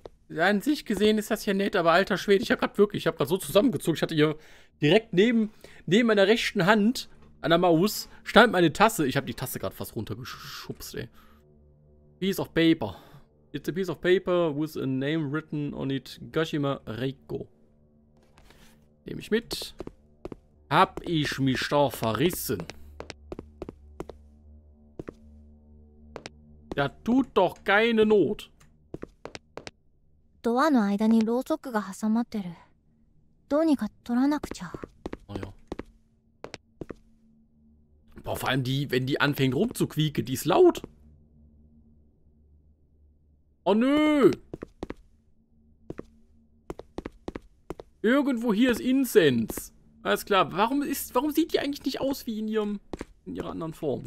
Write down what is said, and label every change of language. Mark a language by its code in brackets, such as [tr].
[de] An sich gesehen ist das ja nett, aber alter Schwede, ich hab grad so zusammengezogen. Ich hatte hier direkt neben meiner rechten Hand an der Maus stand meine Tasse. Ich hab die Tasse gerade fast runtergeschubst, ey. [en] Piece of paper. It's a piece of paper with a name written on it. [de] Kashima Reiko. Nehme ich mit. Hab ich mich da verrissen? Ja, tut doch keine Not. [ja] ドアの間にろうそくが挟まってる。どうにか取らなくちゃ。あや。 [de] ボー、vor allem die, wenn die anfängt rumzuquieke, die ist laut. Oh nö! Irgendwo hier ist Incense. Alles klar. Warum sieht die eigentlich nicht aus wie in ihrer anderen Form?